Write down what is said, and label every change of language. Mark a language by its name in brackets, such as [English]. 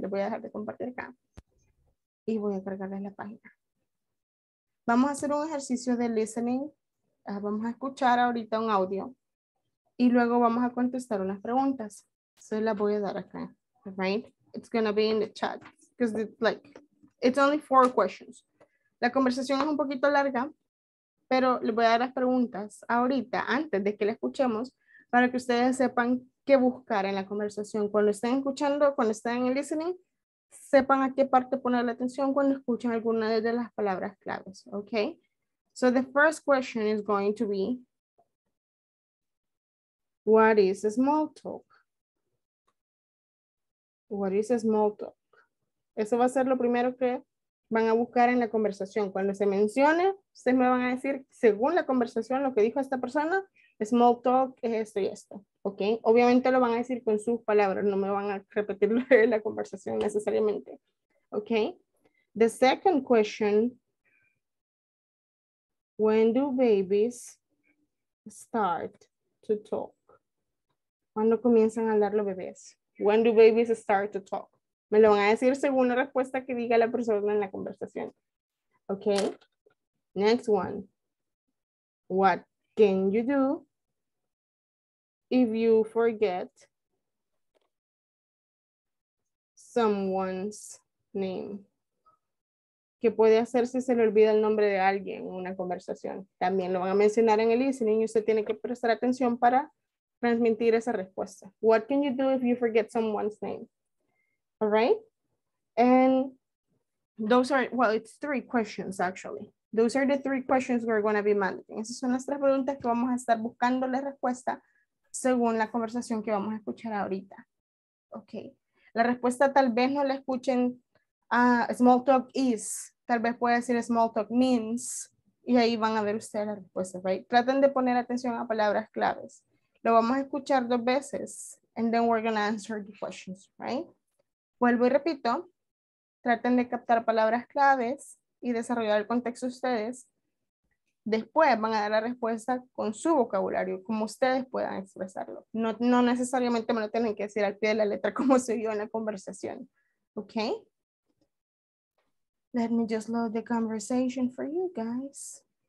[Spanish] Le voy a dejar de compartir acá y voy a cargarles la página. Vamos a hacer un ejercicio de listening. Vamos a escuchar ahorita un audio y luego vamos a contestar unas preguntas. Se las voy a dar acá, right? [English] It's going to be in the chat because it's only four questions. [Spanish] La conversación es un poquito larga, pero les voy a dar las preguntas ahorita antes de que la escuchemos para que ustedes sepan qué buscar en la conversación. Cuando estén escuchando, cuando estén en el listening, sepan a qué parte poner la atención cuando escuchen alguna de las palabras claves, okay? [English] So the first question is going to be, what is a small talk? What is a small talk? [Spanish] Eso va a ser lo primero que van a buscar en la conversación. Cuando se mencione, ustedes me van a decir, según la conversación, lo que dijo esta persona, small talk es esto y esto, ¿ok? Obviamente lo van a decir con sus palabras, no me van a repetir la conversación necesariamente, ¿ok? [English] The second question, when do babies start to talk? [Spanish] ¿Cuándo comienzan a hablar los bebés? [English] When do babies start to talk? [Spanish] Me lo van a decir según la respuesta que diga la persona en la conversación. [English] Okay. Next one. What can you do if you forget someone's name? [Spanish] ¿Qué puede hacer si se le olvida el nombre de alguien en una conversación? También lo van a mencionar en el listening y usted tiene que prestar atención para transmitir esa respuesta. [English] What can you do if you forget someone's name? All right? And those are, well, it's three questions, actually. Those are the three questions we're going to be managing. [Spanish] Esas son las tres preguntas que vamos a estar buscando la respuesta según la conversación que vamos a escuchar ahorita. Okay. La respuesta tal vez no la escuchen, [English] small talk is, [Spanish] tal vez puede decir [English] small talk means, [Spanish] y ahí van a ver ustedes la respuesta, right? Traten de poner atención a palabras claves. Lo vamos a escuchar dos veces [English] and then we're going to answer the questions, [Spanish] right? Vuelvo y repito, traten de captar palabras claves y desarrollar el contexto ustedes. Después van a dar la respuesta con su vocabulario, como ustedes puedan expresarlo. No, no necesariamente me lo tienen que decir al pie de la letra como se vio en la conversación. Ok. [English] Let me just load the conversation for you guys.